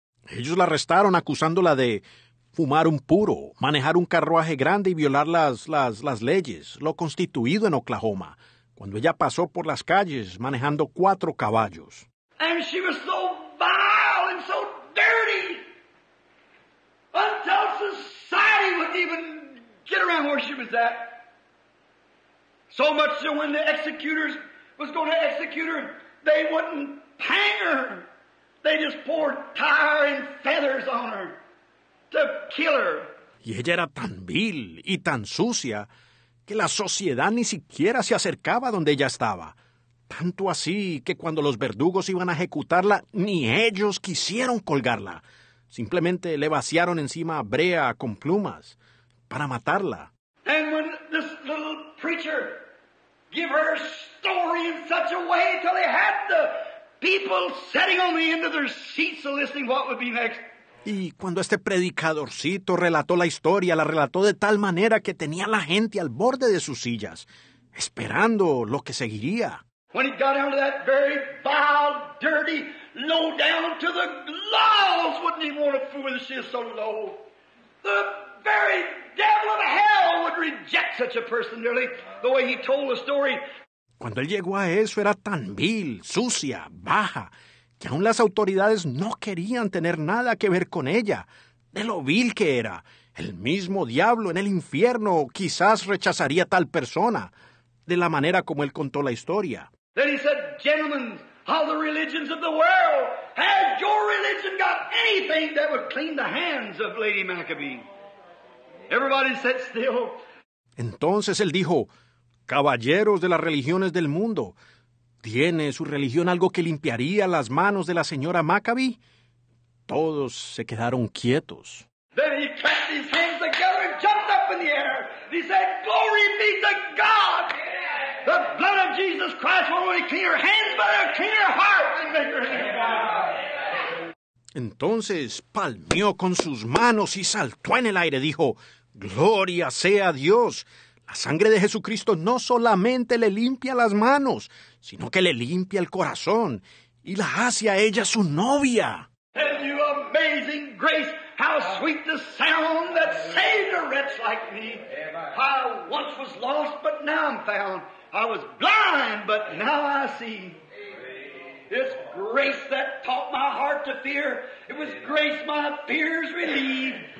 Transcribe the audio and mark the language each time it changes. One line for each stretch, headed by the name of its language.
Spanish: Ellos la arrestaron acusándola de fumar un puro, manejar un carruaje grande y violar las leyes, lo constituido en Oklahoma, cuando ella pasó por las calles manejando 4 caballos.
English: And she was so vile and so dirty, until society wouldn't even get around where she was at. So much that when the executors was going to execute her, they wouldn't hang her. They just poured tar and feathers on her to kill her.
Spanish: Y ella era tan vil y tan sucia que la sociedad ni siquiera se acercaba donde ella estaba. Tanto así que cuando los verdugos iban a ejecutarla, ni ellos quisieron colgarla. Simplemente le vaciaron encima brea con plumas para matarla.
English: And when this little preacher gave her story in such a way till they had to... People sitting on the end of their seats listening what would be next.
Spanish: Y cuando este predicadorcito relató la historia, la relató de tal manera que tenía la gente al borde de sus sillas, esperando lo que seguiría.
English: When he got out of that very vile, dirty, low down to the laws, wouldn't even want to fool when she is so low. The very devil of hell would reject such a person, nearly, the way he told the story.
Spanish: Cuando él llegó a eso, era tan vil, sucia, baja, que aún las autoridades no querían tener nada que ver con ella, de lo vil que era. El mismo diablo en el infierno quizás rechazaría a tal persona, de la manera como él contó la historia.
English: Then he said, gentlemen, All the religions of the world. Has your religion got anything that would clean the hands of Lady Maccabee? Everybody sat still.
Spanish: Entonces él dijo, caballeros de las religiones del mundo, ¿tiene su religión algo que limpiaría las manos de la señora Maccabee? Todos se quedaron quietos.
English: Then he clapped his hands together and jumped up in the air. He said, glory be to God. The blood of Jesus Christ will only clean your hands, but it'll clean your heart and make your hands
Spanish: Entonces palmeó con sus manos y saltó en el aire. Dijo, gloria sea Dios. La sangre de Jesucristo no solamente le limpia las manos, sino que le limpia el corazón y la hace a ella su novia.
English: And you amazing grace, how sweet the sound that saved a wretch like me. I once was lost, but now I'm found. I was blind, but now I see. It's grace that taught my heart to fear. It was grace my fears relieved.